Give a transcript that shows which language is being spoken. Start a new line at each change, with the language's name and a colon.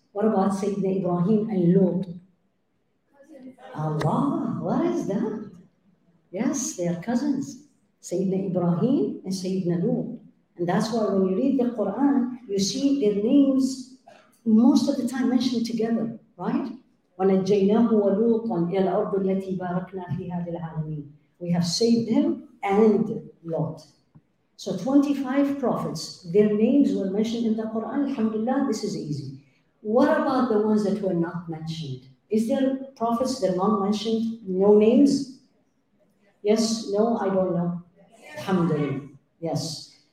English: What about Sayyidina Ibrahim and Lot? Allah, what is that? Yes, they are cousins. Sayyidina Ibrahim and Sayyidina Lot. And that's why when you read the Quran, you see their names most of the time mentioned together, right?
Arabic: وَنَجَّيْنَاهُ وَلُوطًا إِلَى الْأَرْضِ الَّتِي بَارَكْنَا فِيهَا لِلْعَالَمِينَ.
English: We have saved him and Lot. So 25 prophets, their names were mentioned in the Quran. Alhamdulillah, this is easy. What about the ones that were not mentioned? Is there prophets that are not mentioned? No names? Yes, no, I don't know. Alhamdulillah, yes.